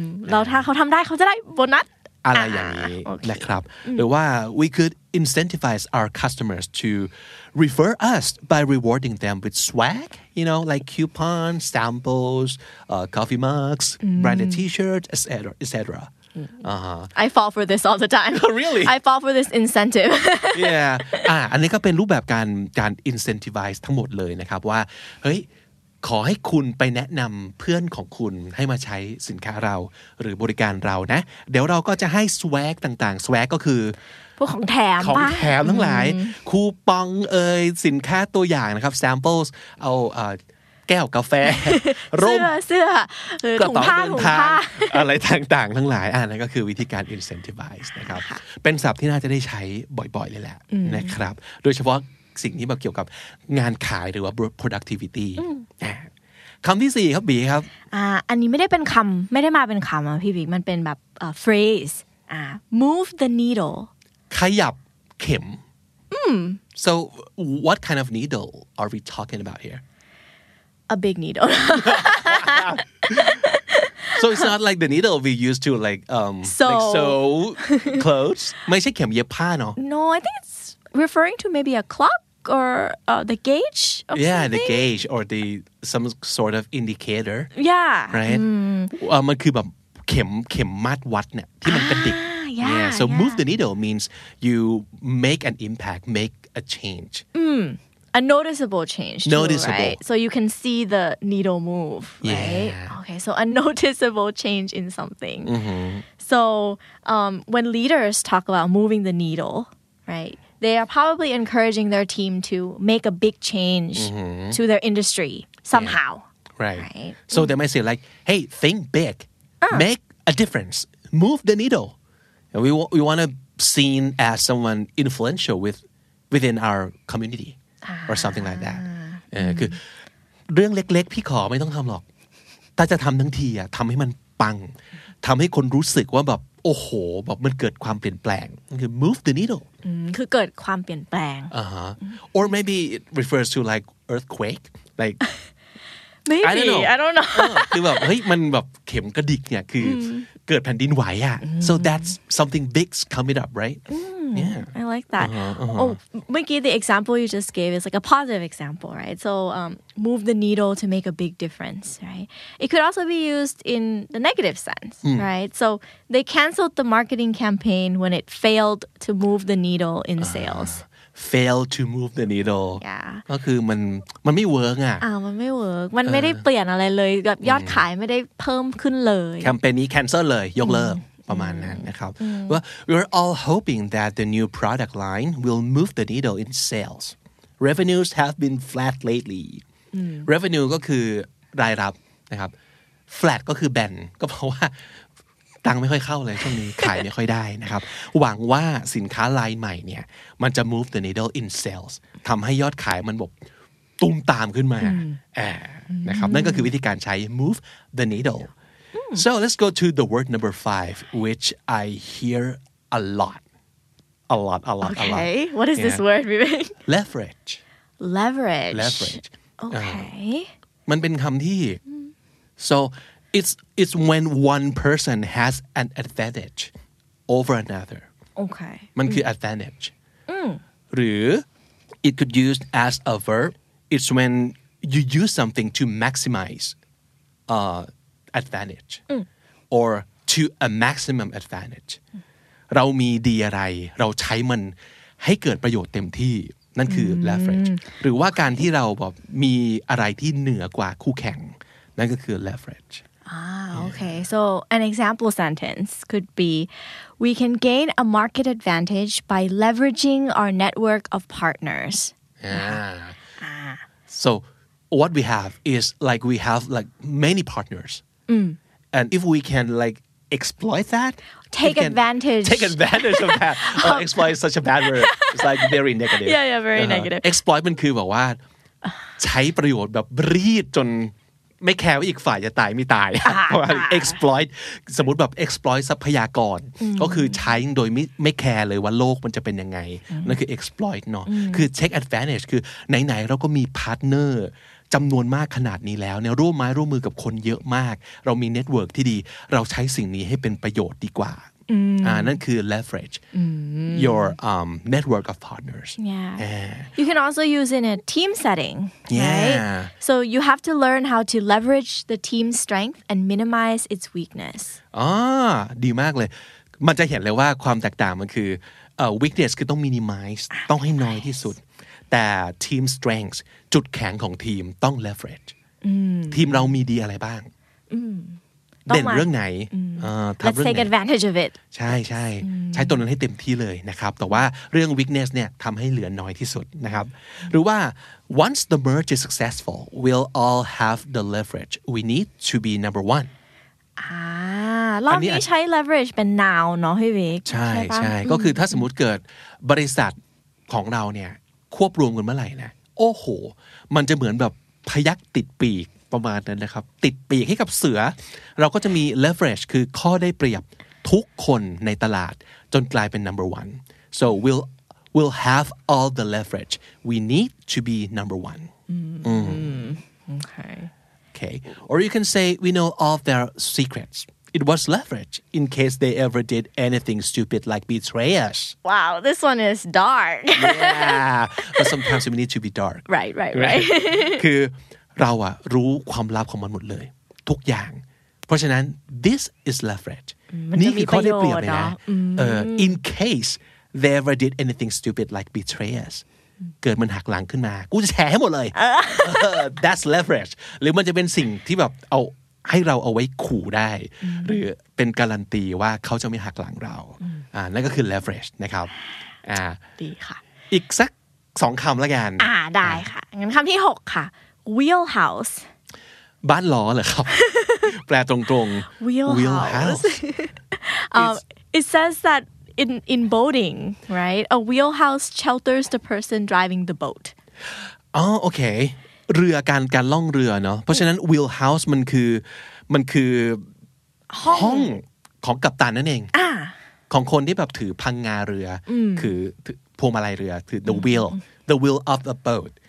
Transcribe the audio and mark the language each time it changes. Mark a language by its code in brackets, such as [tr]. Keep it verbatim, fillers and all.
[th] เราถ้าเขาทำได้เขาจะได้โบนัส อะไรอย่างนี้นะครับหรือว่า [en] we could incentivize our customers to refer us by rewarding them with swag you know like coupons samples uh, coffee mugs branded t-shirts et cetera et cetera I fall for this all the time really I fall for this incentive [th] yeah อ่าอันนี้ก็เป็นรูปแบบการการ incentivize ทั้งหมดเลยนะครับว่าเฮ้ยขอให้คุณไปแนะนำเพื่อนของคุณให้มาใช้สินค้าเราหรือบริการเรานะเดี๋ยวเราก็จะให้ swag ต่างๆ swag ก็คือ พวกของแถม ของแถมทั้งหลายคูปองเอ่ยสินค้าตัวอย่างนะครับ samples เอาเอ่อแก้วกาแฟ ร่มเสื้อถุงผ้าถุงผ้า อะไรต่างๆทั้งหลายอ่ะนั่นก็คือวิธีการ incentivize นะครับเป็นศัพท์ที่น่าจะได้ใช้บ่อยๆเลยแหละนะครับโดยเฉพาะสิ่งที่แบบเกี่ยวกับงานขายหรือว่า productivity คำที่สี่ครับบีครับ อ่าอันนี้ไม่ได้เป็นคำไม่ได้มาเป็นคำอ่ะพี่บิ๊กมันเป็นแบบ uh, phrase อ่า [en] move the needle [th] ขยับเข็ม mm. [en] so what kind of needle are we talking about here a big needle so it's not like the needle we used to like um so like so clothes [th] ไม่ใช่เข็มเย็บผ้าเนาะ [en] no I think it's referring to maybe a clock or uh, the gauge or yeah something? the gauge or the some sort of indicator yeah [th] right อ่ามันคือแบบเข็มเข็มมาตรวัดเนี่ยที่มันกระดิก [en] yeah, yeah so yeah. move the needle means you make an impact make a change a noticeable change too, Noticeable. right? So you can see the needle move, right? Yeah. Okay, so a noticeable change in something. So um, when leaders talk about moving the needle, right, they are probably encouraging their team to make a big change to their industry somehow. Right. Right. So they might say like, hey, think big. Make a difference. Move the needle. And we, wa- we want to seen as someone influential with, within our community or something like that. [th] เออคือเรื่องเล็กๆพี่ขอไม่ต้องทำหรอกแต่จะทำทั้งทีอ่ะทำให้มันปังทำให้คนรู้สึกว่าแบบโอ้โหแบบมันเกิดความเปลี่ยนแปลงนั่นคือ [en] move the needle [th] คือเกิดความเปลี่ยนแปลง uh-huh. [en] or maybe it refers to like earthquake like maybe I don't know I don't know [th] เออคือแบบเฮ้ยมันแบบเข็มกระดิกเนี่ยคือเกิดแผ่นดินไหวอ่ะ [en] so that's something big's coming up right yeah I like that. Oh, Mickey, the example you just gave is like a positive example, right? So um, move the needle to make a big difference, right? It could also be used in the negative sense, right? So they canceled the marketing campaign when it failed to move the needle in sales. fail to move the needle Yeah. [th] ก็คือมันมันไม่เวิร์กอ่ะ อ่ามันไม่เวิร์กมันไม่ได้เปลี่ยนอะไรเลยแบบยอดขายไม่ได้เพิ่มขึ้นเลย แคมเปญนี้ cancel เลยยกเลิกประมาณนั้นนะครับว่า [en] we're all hoping that the new product line will move the needle in sales. Revenues have been flat lately. [th] Revenue ก็คือรายรับนะครับ flat ก็คือแบนก็เพราะว่าตังค์ไม่ค่อยเข้าเลยช่วงนี้ ขายไม่ค่อยได้นะครับหวังว่าสินค้าลายใหม่เนี่ยมันจะ [en] move the needle in sales [th] ทำให้ยอดขายมันแบบตุ้มตามขึ้นมาอ่านะครับนั่นก็คือวิธีการใช้ move the needle [en] so let's go to the word number five which I hear a lot [th] a lot a lot a lot [en] Okay. What is this Yeah. word, Vivek? leverage Leverage. leverage Okay. [th] มันเป็นคำที่ [en] so it's it's when one person has an advantage over another Okay. [th] มันคือ advantage หรือ [en] it could use as a verb it's when you use something to maximize uh, advantage or to a maximum advantage [th] เรามีดีอะไร เราใช้มันให้เกิดประโยชน์เต็มที่ นั่นคือ leverage หรือว่าการที่เราแบบมีอะไรที่เหนือกว่าคู่แข่ง นั่นก็คือ leverage [en] Ah, okay. So an example sentence could be, we can gain a market advantage by leveraging our network of partners. Yeah. So what we have is like we have like many partners, and if we can like exploit that, Take we can advantage. take advantage of that. Oh, exploit is such a bad word. It's like very negative. Yeah, yeah, very [th] อ่าฮะ [en] negative. [th] Exploit มันคือแบบว่าใช้ประโยชน์แบบรีดจนไม่แคร์ว่าอีกฝ่ายจะตายไม่ตาย เพราะว่า exploit สมมติแบบ exploit ทรัพยากรก็คือใช้โดยไม่ไม่แคร์เลยว่าโลกมันจะเป็นยังไงนั่นคือ exploit เนาะคือ take advantage คือไหนๆเราก็มีพาร์ทเนอร์จำนวนมากขนาดนี้แล้วเนี่ยร่วมไม้ร่วมมือกับคนเยอะมาก เรามีเน็ตเวิร์กที่ดีเราใช้สิ่งนี้ให้เป็นประโยชน์ดีกว่าอ่านั่นคือ [en] leverage your um, network of partners Yeah. [th] อ่า [en] You can also use in a team setting, Yeah. right? So you have to learn how to leverage the team's strength and minimize its weakness. [th] อ่าดีมากเลย มันจะเห็นเลยว่าความแตกต่างมันคือเอ่อ weakness คือต้อง minimize ต้องให้น้อยที่สุด แต่ team strength จุดแข็งของทีมต้อง leverage ทีมเรามีดีอะไรบ้าง ต้องมา เด่นเรื่องไหนเอ่อทำ [en] Let's [th] เรื่อง [en] take [th] ไหน [en] advantage of it. [th] ใช่ใช่ใช้ตัวนั้นให้เต็มที่เลยนะครับแต่ว่าเรื่อง weakness เนี่ยทำให้เหลือน้อยที่สุดนะครับหรือว่า [en] once the merge is successful we'll all have the leverage we need to be number one [th] อ่ารอบนี้ใช้ leverage เป็น noun เนาะพี่เวก ใช่ ปะ ใช่ก็คือถ้าสมมติเกิดบริษัทของเราเนี่ยควบรวมกันเมื่อไหร่นะโอ้โห มันจะเหมือนแบบพยักติดปีกประมาณนั้นนะครับ ติดปีกให้กับเสือ เราก็จะมี leverage คือข้อได้เปรียบทุกคนในตลาดจนกลายเป็น number one [en] so we'll we'll have all the leverage we need to be number one Okay. Okay. Or you can say, we know all their secrets. It was leverage in case they ever did anything stupid like betray us. Wow, this one is dark. Yeah. But sometimes we need to be dark. Right, right, right. [th] คือเราอะรู้ความลับของมันหมดเลย ทุกอย่าง เพราะฉะนั้น [en] this is leverage [th] มันจะมี คืข้อได้เปรียบ ประโยชน์ เลยนะ เนอะ เออ [en] in case they ever did anything stupid like betray us [th] เกิดมันหักหลังขึ้นมากูจะแชร์ให้หมดเลย [en] that's leverage [th] หรือมันจะเป็นสิ่งที่แบบเอาให้เราเอาไว้ขู่ได้หรือเป็นการันตีว่าเขาจะไม่หักหลังเราอ่านั่นก็คือ leverage นะครับอ่า ดีค่ะ อีกสักสองคำละกัน อ่าได้ค่ะงั้นคำที่หกค่ะ wheelhouse บ้านล้อเหรอครับแปลตรงๆ [en] wheelhouse it says that in in boating right a wheelhouse shelters the person driving the boat [th] อ๋อโอเคเรือการการล่องเรือเนาะเพราะฉะนั้น wheelhouse มันคือมันคือห้องของกัปตันนั่นเอง อ่า ของคนที่แบบถือพังงาเรือคือพวงมาลัยเรือคือ [en] the wheel the wheel of a boat